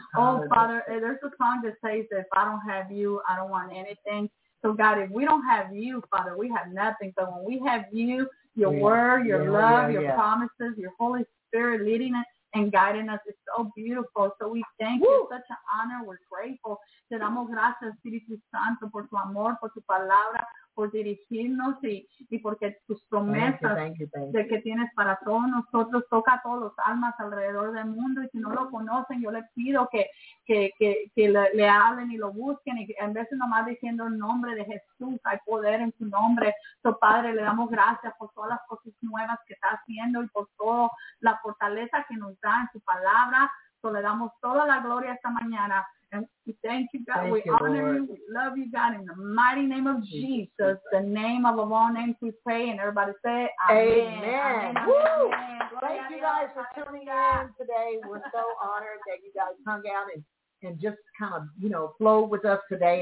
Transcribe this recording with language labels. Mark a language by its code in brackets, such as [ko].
[en] Father, there's a song that says that if I don't have you, I don't want anything. So, God, if we don't have you, Father, we have nothing. But when we have you, your word, your love, your promises, your Holy Spirit leading us and guiding us, it's so beautiful. So we thank you. Such an honor. We're grateful. [es] Te damos gracias, Espíritu Santo, por tu amor, por tu palabra, por dirigirnos y porque tus promesas [en] thank you. [es] De que tienes para todos nosotros toca a todos los almas alrededor del mundo y si no lo conocen yo les pido que le hablen y lo busquen y en vez de nomás diciendo el nombre de Jesús hay poder en su nombre. So, Padre, le damos gracias por todas las cosas nuevas que está haciendo y por toda la fortaleza que nos da en su palabra. So, le damos toda la gloria esta mañana. [en] And we thank you, God. Thank we you, honor Lord. You. We love you, God. In the mighty name of Jesus. The name of all names we pray. And everybody say, Amen. Woo! Thank you guys for tuning in today. We're so honored that you guys hung out and just kind of, you know, flowed with us today.